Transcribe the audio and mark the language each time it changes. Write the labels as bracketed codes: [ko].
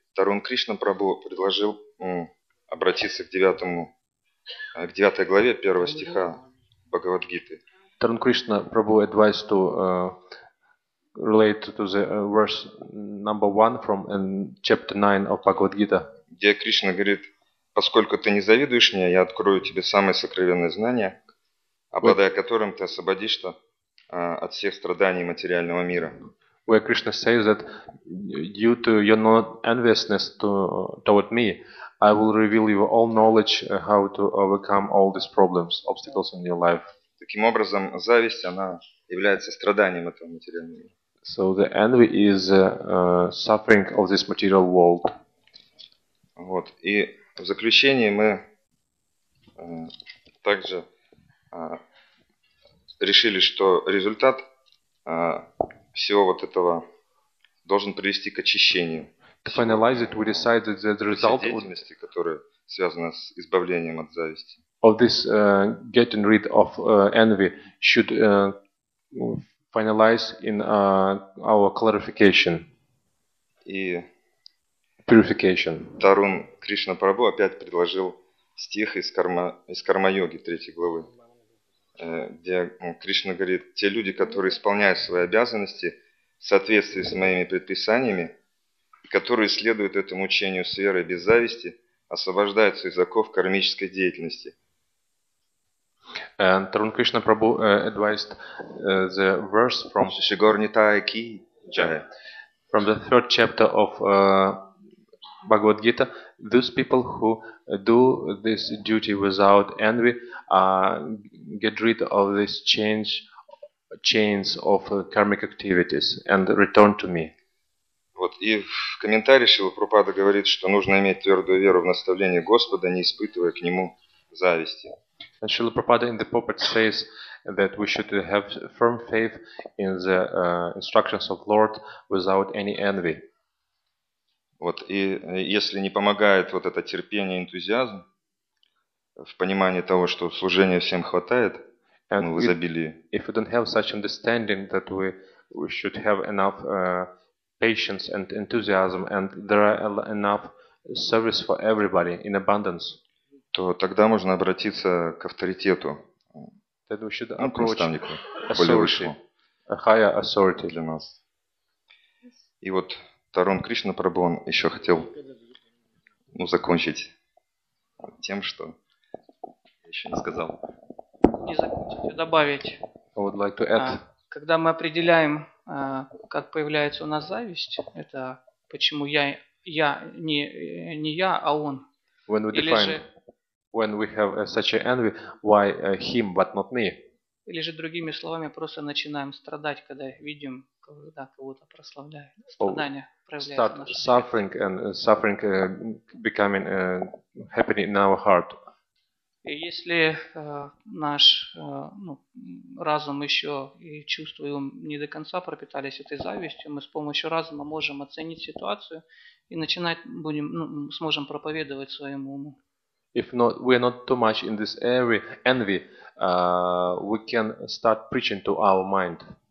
[ru] Тарун Кришна Прабху предложил обратиться к девятому, к девятой главе первого стиха Бхагавад-гиты. [en] Тарун Кришна Прабху advised to relate to the verse number 1 from chapter 9 of Bhagavad Gita. [ru] Где Кришна говорит: поскольку ты не завидуешь мне, я открою тебе самое сокровенное знание, обладая которым ты освободишься от всех страданий материального мира. [en] Where Krishna says that due to your not enviousness toward me, I will reveal you all knowledge how to overcome all these problems, obstacles in your life. [ru] Таким образом, зависть, она является страданием этого материального мира. [en] So the envy is suffering of this material world. [ru] Вот. И в заключение мы также решили, что результат всего вот этого должен привести к очищению. [en] To finalize it, we decided that the result [ru] of деятельности, которая связана с избавлением от зависти. [en] Of this getting rid of envy should finalize in our clarification. [ru] И [en] purification. [ru] Тарун Кришна Прабху опять предложил стих из Карма-йоги, третьей главы, где Кришна говорит: те люди, которые исполняют свои обязанности в соответствии с моими предписаниями, которые следуют этому учению с верой без зависти, освобождаются из оков кармической деятельности. [en] Тарун Кришна Прабху advised the verse from [ru] Шигор Нитай Ки Джая. [en] From the third chapter of Bhagavad Gita, those people who do this duty without envy get rid of these chains of karmic activities and return to me. [ru] Вот, и в комментарии Шрила Прабхупада говорит, что нужно иметь твердую веру в наставление Господа, не испытывая к Нему зависти. [en] And Shrila Prabhupada in the purport says that we should have firm faith in the instructions of Lord without any envy. [ru] Вот, и если не помогает вот это терпение, энтузиазм в понимании того, что служения всем хватает, ну, в изобилии. [en] If we don't have such understanding that we should have enough patience and enthusiasm and there are enough service for everybody in abundance, [ru] то тогда можно обратиться к авторитету, ну, к наставнику, более высшему, [en] a higher authority [ru] для нас. И вот Тарун Кришна Прабху, он еще хотел, ну, закончить тем, что еще не сказал. Не закончить, а добавить. [en] I would like to add. [ru] Когда мы определяем, как появляется у нас зависть, это почему я не я, а он. [en] When we define, when we have such an envy, why him, but not me? [ru] Или же другими словами, просто начинаем страдать, когда видим, когда кого-то прославляют. Страдания. [en] Start suffering and suffering becoming happening in our heart. [ru] И если наш разум еще и чувства его не до конца пропитались этой завистью, мы с помощью разума можем оценить ситуацию и начинать будем, ну, сможем проповедовать своему уму. [en] If not, we are not too much in this area envy, we can start preaching to our mind.